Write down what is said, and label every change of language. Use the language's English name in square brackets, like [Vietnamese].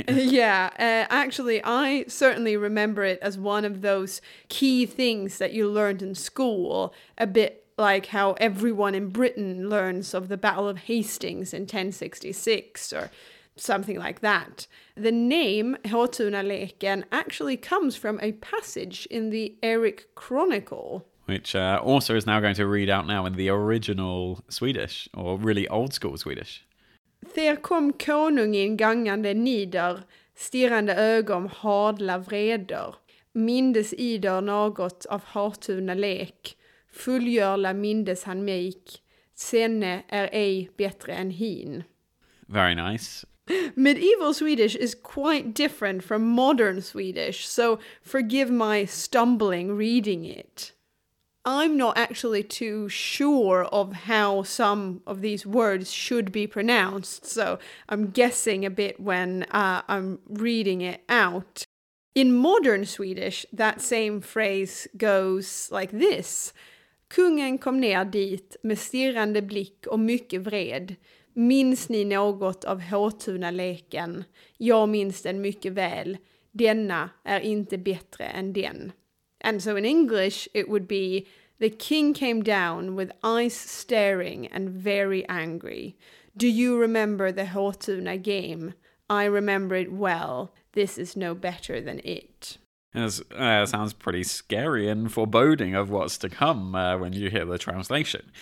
[English] Yeah, actually, I certainly remember it as one of those key things that you learned in school, a bit like how everyone in Britain learns of the Battle of Hastings in 1066 or something like that. The name Hotunaleken actually comes from a passage in the Erik Chronicle, which also is now going to read out now in the original Swedish, or really old school Swedish. [Swedish] Ther kom konungen gangande nider, stirrande ögon hadla vreder, mindes idar något av Hotunalek, fullgörla mindes han mig, senne är ej bättre än hin. [English] Very nice. Medieval Swedish is quite different from modern Swedish, so forgive my stumbling reading it. I'm not actually too sure of how some of these words should be pronounced, so I'm guessing a bit when I'm reading it out. In modern Swedish, that same phrase goes like this. [Swedish] Kungen kom ner dit med stirrande blick och mycket vred. Minns ni något av Hotunaleken? Jag minns den mycket väl. Denna är inte bättre än den. [English] And so in English, it would be, the king came down with eyes staring and very angry. Do you remember the Hotuna game? I remember it well. This is no better than it. Sounds pretty scary and foreboding of what's to come when you hear the translation.